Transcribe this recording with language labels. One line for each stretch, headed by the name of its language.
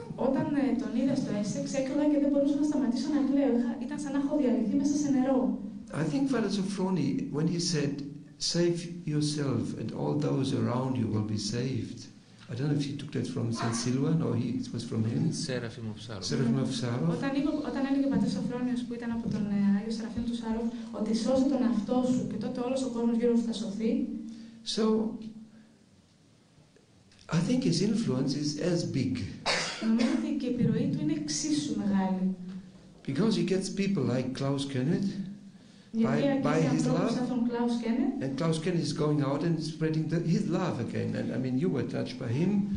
Greek: Όταν τον είδα στο Essex, έκλαιγα και δεν μπορούσα να σταματήσω να κλαίω. Ήταν σαν να έχω διαλυθεί μέσα σε νερό.
English: I think Father Sofroni, when he said, save yourself and all those around you will be saved. I don't know if he took that from St. Silvan or he, it was from him. Seraphim of Sarov. Seraphim of Sarov.
Greek: Όταν έλεγε ο πατέρας Σοφρόνιος που ήταν από τον Άγιο Σεραφείμ του Σάρο, ότι σώσε τον αυτό σου και τότε όλος ο κόσμος γύρω σου θα σωθεί.
English: So, I think his influence is as big.
Greek: Νομίζω ότι η επιρροή του είναι εξίσου μεγάλη.
English: Because he gets people like Klaus Kenneth. By his love, Klaus Kenneth. And Klaus Kenneth is going out and spreading his love again. And I mean, you were touched by him.